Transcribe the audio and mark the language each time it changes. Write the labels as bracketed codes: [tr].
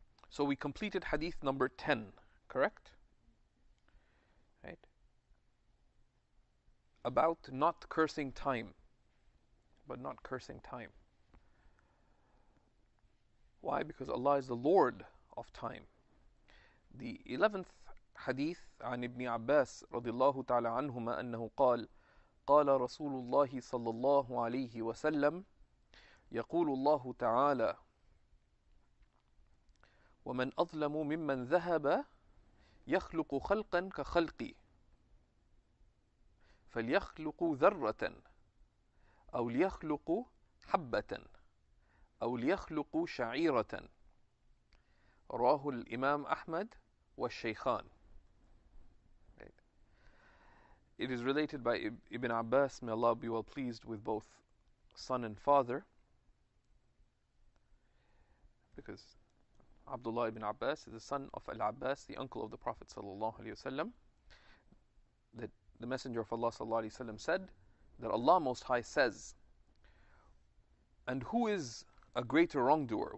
[en] So we completed hadith number 10, correct? Right? About not cursing time, but not cursing time. Why? Because Allah is the Lord of time. The 11th hadith [ar] عن ابن عباس رضي الله تعالى عنهما أنه قال قال رسول الله صلى الله عليه وسلم يقول الله تعالى ومن أظلم ممن ذهب يخلق خلقا كخلقي فليخلق ذرة أو ليخلق حبة أو ليخلق شعيرة رواه الإمام أحمد والشيخان. [en] It is related by Ibn Abbas, may Allah be well pleased with both son and father, because Abdullah ibn Abbas is the son of Al-Abbas, the uncle of the Prophet sallallahu alayhi wasallam, that the Messenger of Allah sallallahu alayhi wasallam said that Allah Most High says, and who is a greater wrongdoer?